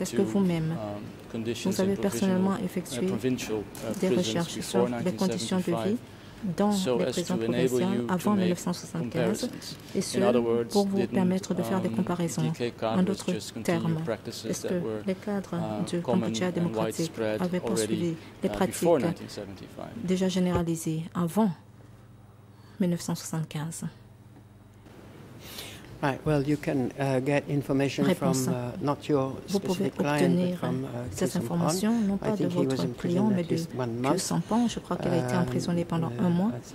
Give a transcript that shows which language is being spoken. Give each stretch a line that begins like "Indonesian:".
French: Est-ce que vous-même, vous avez personnellement effectué des recherches sur les conditions de vie dans les prisons provinciales avant 1975, et ce, pour vous permettre de faire des comparaisons. En d'autres termes, est-ce que les cadres du Cambodge démocratique avaient poursuivi les pratiques déjà généralisées avant 1975?
English: Right. Well, you can get information from not your specific client, but from
French: Cette information, non pas de votre client, mais de Kusampan. Je crois qu'il a été emprisonné pendant un mois.